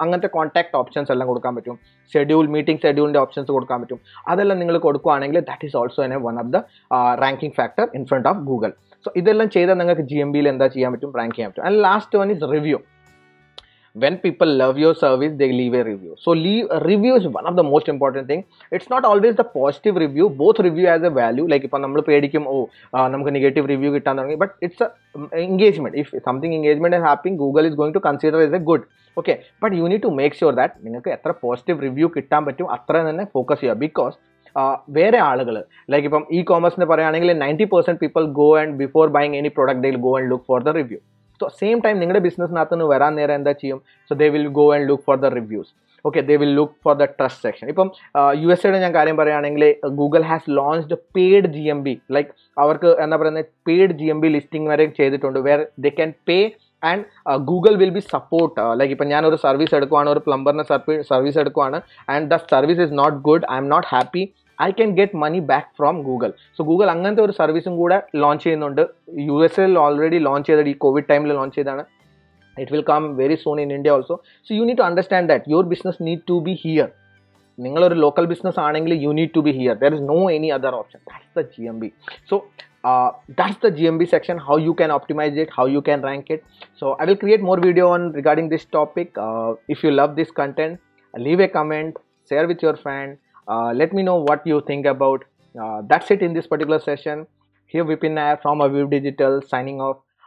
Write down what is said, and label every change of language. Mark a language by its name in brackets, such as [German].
[Malayalam] അങ്ങനത്തെ contact options എല്ലാം കൊടുക്കാൻ പറ്റും. ഷെഡ്യൂൾ, മീറ്റിംഗ് ഷെഡ്യൂളിൻ്റെ ഓപ്ഷൻസ് കൊടുക്കാൻ പറ്റും. അതെല്ലാം നിങ്ങൾ കൊടുക്കുകയാണെങ്കിൽ [English] That is also a one of the ranking factor in front of Google. [Malayalam] So ഇതെല്ലാം ചെയ്താൽ നിങ്ങൾക്ക് ജി എം ബിയിൽ എന്താ ചെയ്യാൻ പറ്റും, റാങ്ക് ചെയ്യാൻ പറ്റും. [English] And last one is review. When people love your service, they leave a review. So, review is one of the most important thing. It's not always the positive review. Both review has a value. Like, if we have a negative review, but it's an engagement. If something engagement is happening, Google is going to consider it as a good. Okay, but you need to make sure that you have a positive review, and focus here. Because, [Malayalam] വേറെ ആളുകൾ, like ഇപ്പം E കോമേഴ്സിന് പറയുകയാണെങ്കിൽ [English] 90% people go and before buying any product they will go and look for the review. So same time [Malayalam] നിങ്ങളുടെ ബിസിനസ്സിനകത്ത് നിന്ന് വരാൻ നേരം എന്താ ചെയ്യും? [English] So they will go and look for the reviews. Okay, they will look for the trust section. [Malayalam] ഇപ്പം U S എയുടെ ഞാൻ കാര്യം പറയുകയാണെങ്കിൽ, [English] Google has launched paid G M B. [Malayalam] Like അവർക്ക് എന്താ പറയുന്നത്, paid G M B listing വരെ ചെയ്തിട്ടുണ്ട്. [English] Where they can pay and Google will be support. [Malayalam] Like ഇപ്പം ഞാനൊരു സർവീസ് എടുക്കുവാണ്, [English] ഒരു പ്ലംബറിനെ സർവീസ് എടുക്കുവാണ്, and the service is not good, I'm not happy, I can get money back from Google. [Malayalam] So Google അങ്ങനത്തെ ഒരു സർവീസും കൂടെ launch ചെയ്യുന്നുണ്ട്. U S എയിൽ already launch ചെയ്ത, ഈ കോവിഡ് ടൈമിൽ ലോഞ്ച് ചെയ്താണ്. [English] It will come very soon in India also. So you need to understand that your business need to be here. നിങ്ങളൊരു local business ആണെങ്കിൽ you need to be here, there is no any other option. That's the G M B. So that's the GMB section, how you can optimize it, how you can rank it. So I will create more video on regarding this topic. If you love this content, leave a comment, share with your friend, let me know what you think about. That's it in this particular session. Here Vipin Nair from Aviv Digital signing off.